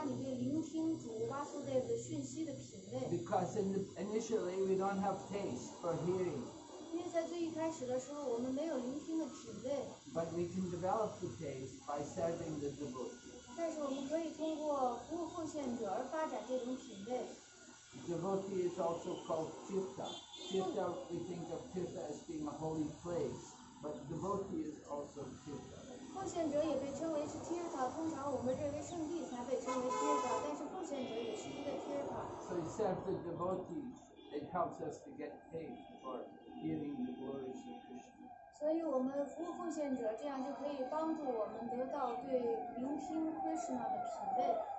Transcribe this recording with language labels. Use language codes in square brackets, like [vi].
[zh] 在圣曼巴勃咱们的这个世界之中提到，如果你向奉献者做出伟大的服务，那么，你的好运就开始了。你可以增加你对聆听主巴苏德的讯息的品味。 [en] Because in the initially we don't have taste for hearing. [zh] 因为在最一开始的时候，我们没有聆听的品味。 [en] But we can develop the taste by serving the devotee. [zh] 但是我们可以通过服务奉献者而发展这种品味。 [en] Devotee is also called Tirtha. Tirtha, we think of Tirtha as being a holy place, but devotee is also Tirtha. [zh] 奉献者也被称为是Tirtha，通常我们认为圣地才被称为Tirtha，但是奉献者也是一个Tirtha。 [en] So serve the devotee, it helps us to get paid for hearing the glories of Krishna. [zh] 所以我们服务奉献者，这样就可以帮助我们得到对聆听Krishna的品味。